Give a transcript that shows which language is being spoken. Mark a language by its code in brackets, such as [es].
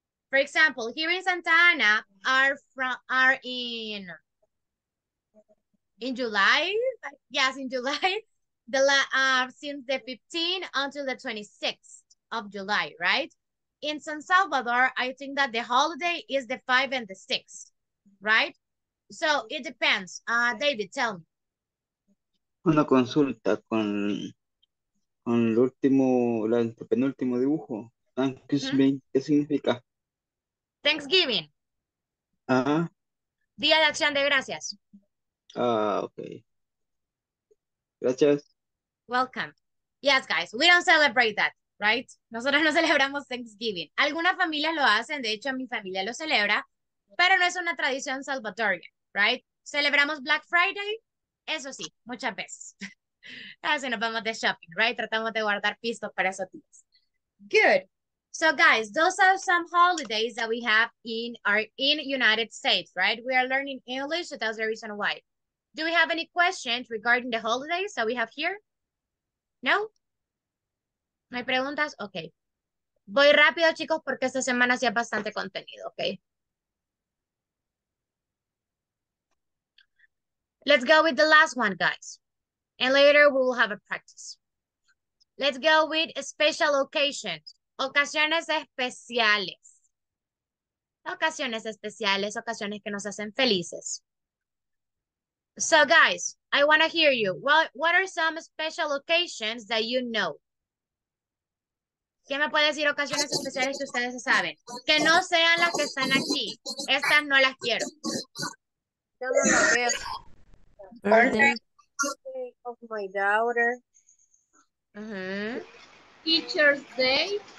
[en] For example, here in Santa Ana are in July, yes, in July, since the 15th until the 26th of July, right? In San Salvador, I think that the holiday is the 5th and the 6th, right? So it depends. David, tell me. [es] Una consulta con el último, el penúltimo dibujo. [en] Excuse me, [es] ¿qué significa? [en] Thanksgiving. Ah. [es] Día de Acción de Gracias. Ah, okay. Gracias. [en] Welcome. Yes, guys, we don't celebrate that, right? [es] Nosotros no celebramos Thanksgiving. Algunas familias lo hacen, de hecho, mi familia lo celebra, pero no es una tradición salvadoreña, right? Celebramos Black Friday, eso sí, muchas veces. Así nos vamos de shopping, right? Tratamos de guardar pistos para esos días. Good. [en] So, guys, those are some holidays that we have in United States, right? We are learning English, so that's the reason why. Do we have any questions regarding the holidays that we have here? [es] No? ¿No hay preguntas? Okay. Voy rápido, chicos, porque esta semana sí hay bastante contenido, okay? [en] Let's go with the last one, guys. And later we will have a practice. Let's go with special occasions. [es] Ocasiones especiales. Ocasiones especiales, ocasiones que nos hacen felices. [en] So guys, I want to hear you. What are some special occasions that you know? [es] ¿Qué me puede decir ocasiones especiales que ustedes saben? Que no sean las que están aquí. Estas no las quiero. [en] Birthday of my daughter. Teacher's Day.